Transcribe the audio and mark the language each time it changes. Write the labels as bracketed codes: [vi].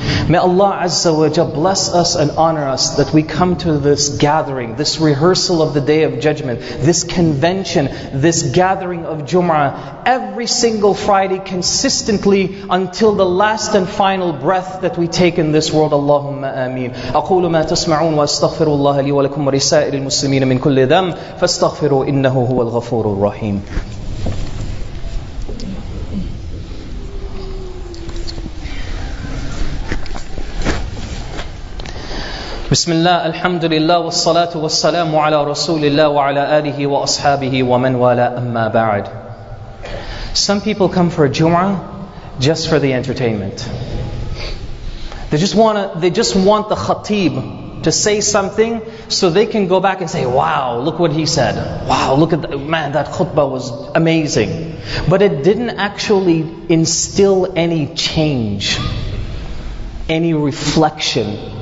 [en] May Allah Azza wa Jalla bless us and honor us that we come to this gathering, this rehearsal of the Day of Judgment, this convention, this gathering of Jum'ah, every single Friday consistently until the last and final breath that we take in this world. [ar] Allahumma ameen. أقول ما تسمعون واستغفر الله لي ولكم ورسائر المسلمين من كل ذنب فاستغفروا إنه هو الغفور الرحيم. بسم الله الحمد لله والصلاة والسلام على رسول الله وعلى آله وأصحابه ومن والاه أما بعد. [en] Some people come for a Jumu'ah just for the entertainment. They just want the khatib to say something so they can go back and say, wow, look what he said. Wow, look at that. Man, that khutbah was amazing. But it didn't actually instill any change, any reflection.